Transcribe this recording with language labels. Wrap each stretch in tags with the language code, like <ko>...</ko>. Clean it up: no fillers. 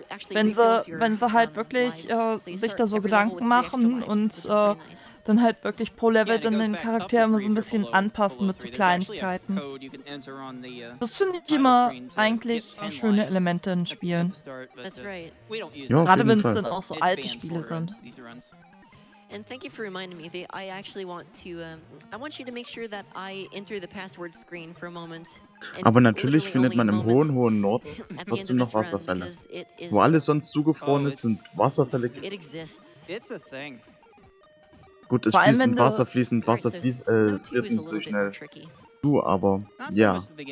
<de>wenn sie halt wirklich sich da so Gedanken machen und dann halt wirklich pro Level dann den Charakter immer so ein bisschen anpassen mit so Kleinigkeiten. Das finde ich immer eigentlich schöne Elemente in Spielen. Ja, gerade wenn es dann auch so alte Spiele sind.</de> <en>And thank you for reminding me that I actually want to I want you to make sure that I enter the password screen for a moment.</en> <de>Aber natürlich findet man im hohen, hohen Norden trotzdem noch Wasserfälle. Wo alles sonst zugefroren ist, sind Wasserfälle.</de> <en>It exists. It's a thing.</en> <de>Gut, es fließt Wasser, fließend Wasser, wird nicht so schnell zu, aber ja.</de>